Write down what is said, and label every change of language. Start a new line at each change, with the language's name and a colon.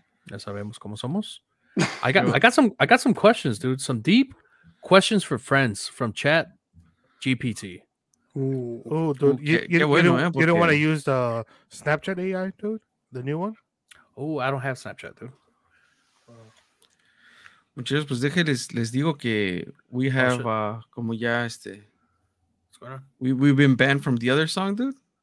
Spanish: Ya sabemos cómo somos.
English: I got some questions, dude. Some deep questions for friends from chat GPT. Ooh. Oh, dude. You don't want to use the Snapchat AI, dude? The new one? Oh, I don't have Snapchat, dude.
Spanish: Muchachos, pues déjenles les digo que
English: we have
Spanish: como ya este.
English: What's going on? We've been banned from the other song, dude.